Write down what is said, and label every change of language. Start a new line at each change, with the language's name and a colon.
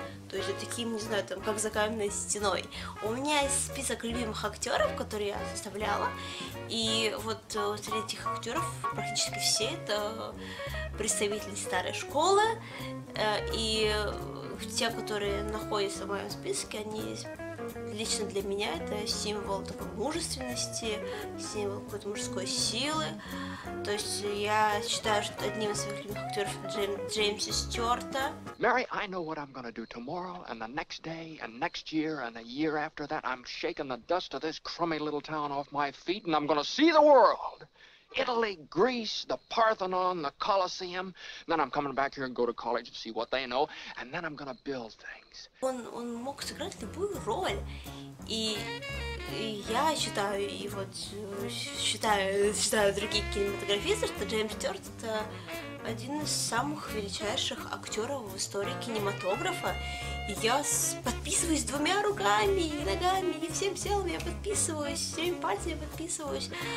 Russian: То есть таким, не знаю, там, как за каменной стеной. У меня есть список любимых актеров, которые я составляла, и вот среди этих актеров практически все это представители старой школы, и те, которые находятся в моем списке, они лично для меня это символ такой мужественности, символ какой-то мужской силы. То есть я считаю, что одним из своих любимых актеров Джеймса Стюарта.
English: Mary, I know what I'm gonna do tomorrow, and the next day, and next year, and the year after that. I'm shaking the dust of this crummy little town off my feet, and I'm gonna see the world. Italy, Greece, the Parthenon, the Colosseum. Then I'm coming back here and go to college and see what they know, and then I'm gonna build things.
Russian: Он мог сыграть любую роль, и я считаю, и вот считаю других кинематографистов, что Джеймс Стюарт — это один из самых величайших актеров в истории кинематографа, Я подписываюсь двумя руками и ногами, и всем телом я подписываюсь, всеми пальцами подписываюсь.